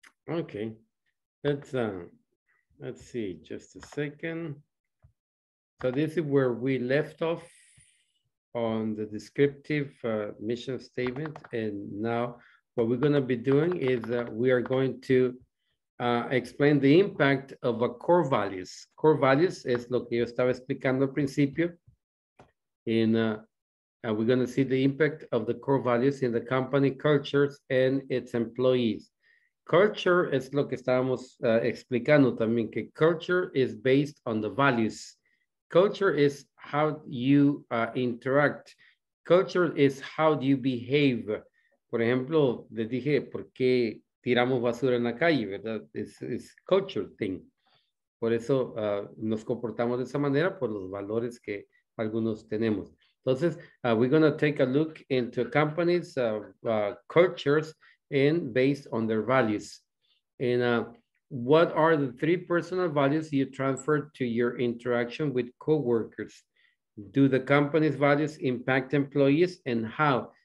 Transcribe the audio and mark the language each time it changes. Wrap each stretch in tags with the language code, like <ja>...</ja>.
<en>Okay, let's see, just a second. So this is where we left off on the descriptive mission statement. And now what we're gonna be doing is that we are going to explain the impact of a core values. Core values is</en> <es>lo que yo estaba explicando al principio.</es> <en>And we're gonna see the impact of the core values in the company cultures and its employees. Culture is</en> <es>lo que estábamos explicando también, que</es> <en>culture is based on the values. Culture is how you interact. Culture is how do you behave.</en> <es>Por ejemplo, les dije, ¿por qué tiramos basura en la calle? ¿Verdad?</es> <en>It's a culture thing.</en> <es>Por eso nos comportamos de esa manera, por los valores que algunos tenemos.</es> <en>Entonces, we're going to take a look into companies, cultures, and based on their values. And what are the three personal values you transfer to your interaction with coworkers? Do the company's values impact employees and how?</en>